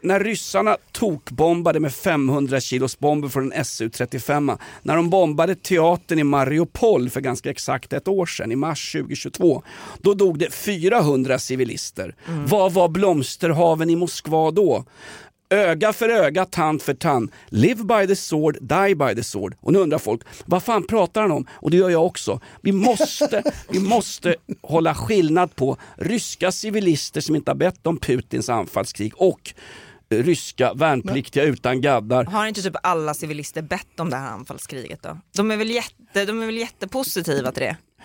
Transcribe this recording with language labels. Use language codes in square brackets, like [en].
[sv] När ryssarna tokbombade med 500 kilos bomber från en SU-35, när de bombade teatern i Mariupol för ganska exakt ett år sedan, i mars 2022, då dog det 400 civilister. Mm. Vad var blomsterhaven i Moskva då? Öga för öga, tand för tand. [en] Live by the sword, die by the sword. [sv] Och nu undrar folk, vad fan pratar han om? Och det gör jag också. Vi måste hålla skillnad på ryska civilister som inte har bett om Putins anfallskrig och ryska värnpliktiga utan gaddar. Har inte typ alla civilister bett om det här anfallskriget då? De är väl jättepositiva till det?